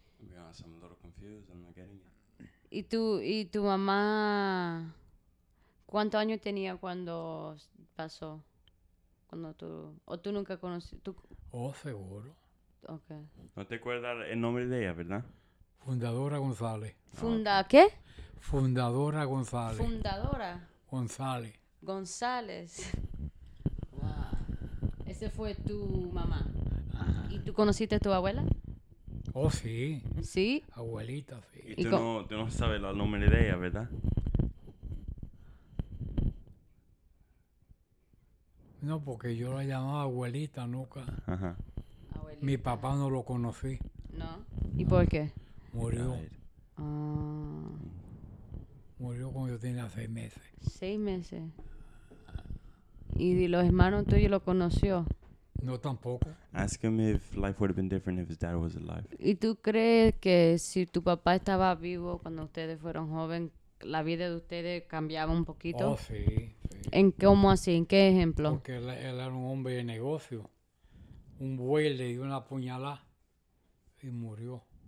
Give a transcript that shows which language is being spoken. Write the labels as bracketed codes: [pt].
[en] To be honest, I'm a little confused, I'm not getting it. [es] ¿Y tu mamá, cuántos años tenía cuando pasó? Cuando tú, ¿o tú nunca conociste? Oh, seguro. Okay. ¿No te acuerdas el nombre de ella, verdad? Fundadora González. ¿Qué? Fundadora González. ¿Fundadora? González. González. Wow. Ese fue tu mamá. ¿Y tú conociste a tu abuela? Oh, sí. ¿Sí? Abuelita, sí. ¿Y tú no sabes el nombre de ella, verdad? No, porque yo la llamaba abuelita nunca. Ajá. Abuelita. Mi papá no lo conocí. ¿No? ¿Y por qué? Murió. Murió cuando yo tenía 6 meses. ¿Y de los hermanos tuyos lo conoció? No, tampoco. [en] Ask him if life would have been different if his dad was alive. [es] ¿Y tú crees que si tu papá estaba vivo cuando ustedes fueron jóvenes, la vida de ustedes cambiaba un poquito? Oh, sí. ¿En cómo así? ¿En qué ejemplo? Porque él era un hombre de negocio. Un buey le dio una puñalada y murió.